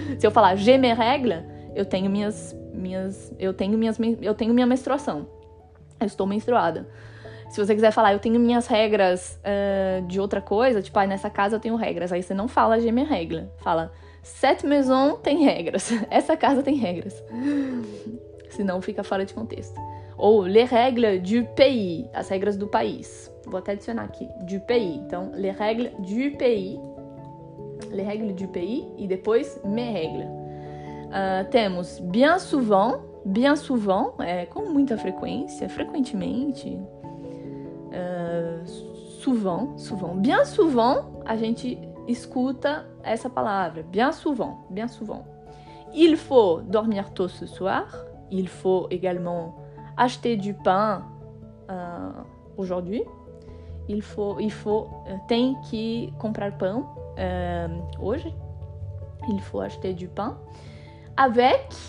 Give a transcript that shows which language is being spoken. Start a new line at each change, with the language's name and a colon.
Portuguese: Se eu falar
French: j'ai mes règles,
Portuguese: eu tenho minha menstruação, eu estou menstruada. Se você quiser falar eu tenho minhas regras de outra coisa, tipo, ah, nessa casa eu tenho regras, aí você não fala
French: j'ai mes règles,
Portuguese: fala
French: cette maison
Portuguese: tem regras, essa casa tem regras, senão fica fora de contexto. Ou
French: les règles du pays,
Portuguese: as regras do país. Vou até adicionar aqui,
French: du pays.
Portuguese: Então,
French: les règles du pays. Les règles du pays
Portuguese: e depois
French: mes règles.
Portuguese: Temos
French: bien souvent
Portuguese: é com muita frequência, frequentemente.
French: Souvent, souvent. Bien souvent,
Portuguese: a gente escuta essa palavra,
French: bien souvent, bien souvent. Il faut dormir tôt ce soir. Il faut également acheter du pain aujourd'hui. Il faut
Portuguese: tem que comprar pão hoje.
French: Il faut acheter du pain. Avec.